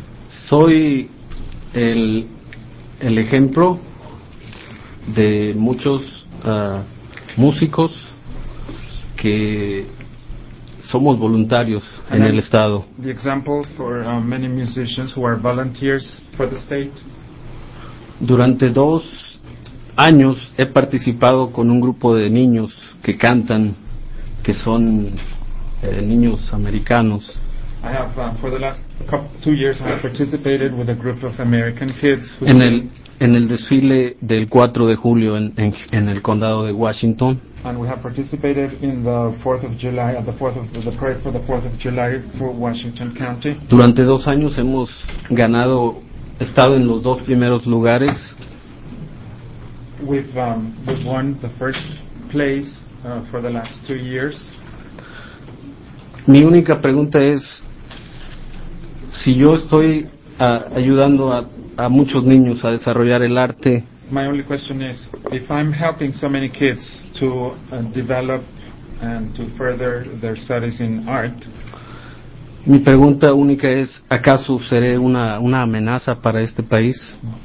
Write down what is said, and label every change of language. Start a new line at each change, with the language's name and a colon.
Spanish: Soy el ejemplo de muchos músicos que somos voluntarios en el estado.
English: The example for many musicians who are volunteers for the state.
Spanish: Durante 2 años he participado con un grupo de niños que cantan, que son niños americanos.
English: I have for the last 2 years I have participated with a group of American kids who
Spanish: en el desfile del 4 de julio en el condado de Washington.
English: And we have participated in the 4th of July at the parade for the 4th of July for Washington County.
Spanish: Durante 2 años hemos ganado, estado en los 2 primeros lugares.
English: We've won the first place for the last 2 years.
Spanish: Mi única pregunta es, si yo estoy ayudando a muchos niños a desarrollar el arte.
English: My only question is, if I'm helping so many kids to develop and to further their studies in art.
Spanish: Mi pregunta única es, ¿acaso seré una amenaza para este país?